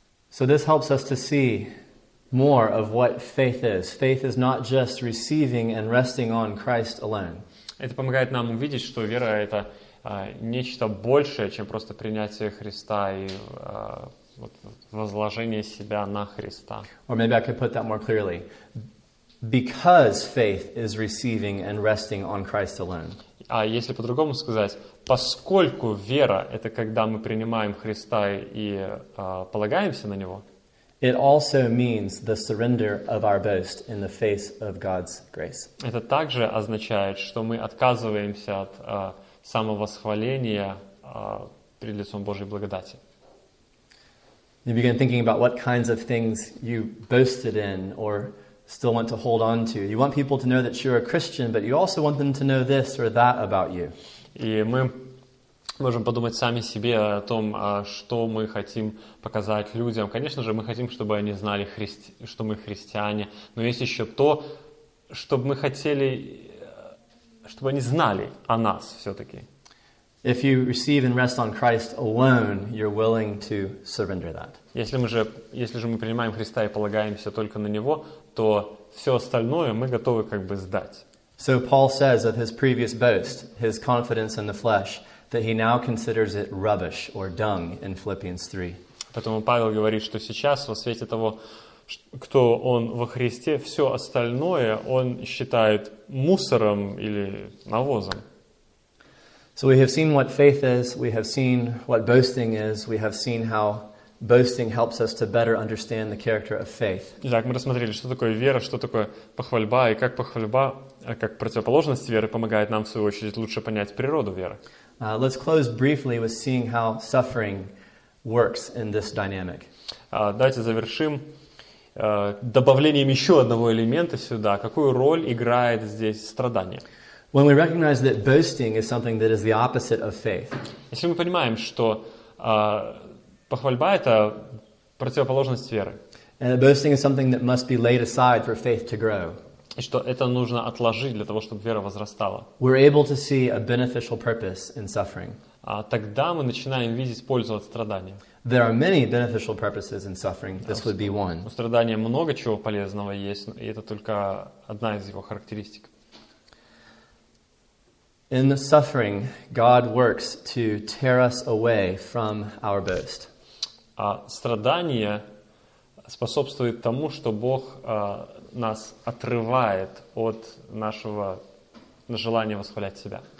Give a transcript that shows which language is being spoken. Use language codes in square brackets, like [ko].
[en] So this helps us to see more of what faith is. Faith is not just receiving and resting on Christ alone. [ru] Это помогает нам увидеть, что вера — это нечто большее, чем просто принятие Христа и вот, возложение себя на Христа. [en] Or maybe I could put that more clearly. Because faith is receiving and resting on Christ alone. [ru] А если по-другому сказать, поскольку вера — это когда мы принимаем Христа и полагаемся на Него, [en] it also means the surrender of our boast in the face of God's grace. [ru] Это также означает, что мы отказываемся от самовосхваления пред лицом Божьей благодати. [en] You begin thinking about what kinds of things you boasted in or still want to hold on to. You want people to know that you're a Christian, but you also want them to know this or that about you. [ru] И мы можем подумать сами себе о том, что мы хотим показать людям. Конечно же, мы хотим, чтобы они знали, что мы христиане. Но есть еще то, чтобы мы хотели, чтобы они знали о нас все-таки. [en] If you receive and rest on Christ alone, you're willing to surrender that. [ru] Если же мы принимаем Христа и полагаемся только на Него, то все остальное мы готовы как бы сдать. [en] So Paul says of his previous boast, his confidence in the flesh, that he now considers it rubbish or dung in Philippians 3. [ru] Поэтому Павел говорит, что сейчас, во свете того, кто он во Христе, все остальное он считает мусором или навозом. [en] So we have seen what faith is, we have seen what boasting is, we have seen how boasting helps us to better understand the character of faith. [ru] Итак, мы рассмотрели, что такое вера, что такое похвальба, и как похвальба, как противоположность веры, помогает нам, в свою очередь, лучше понять природу веры. [en] Let's close briefly with seeing how suffering works in this dynamic. [ru] Давайте завершим добавлением еще одного элемента сюда. Какую роль играет здесь страдание? [en] When we recognize that boasting is something that is the opposite of faith. [ru] Если мы понимаем, что похвальба — это противоположность веры. [en] And that boasting is something that must be laid aside for faith to grow. [ru] И что это нужно отложить для того, чтобы вера возрастала. [en] We're able to see a beneficial purpose in suffering. [ru] Тогда мы начинаем видеть пользу от страдания. [en] There are many beneficial purposes in suffering. This would be one. [ru] У страдания много чего полезного есть, и это только одна из его характеристик. [en] In the suffering, God works to tear us away from our boast. [ru] Страдание способствует тому, что Бог нас отрывает от нашего желания восхвалять себя.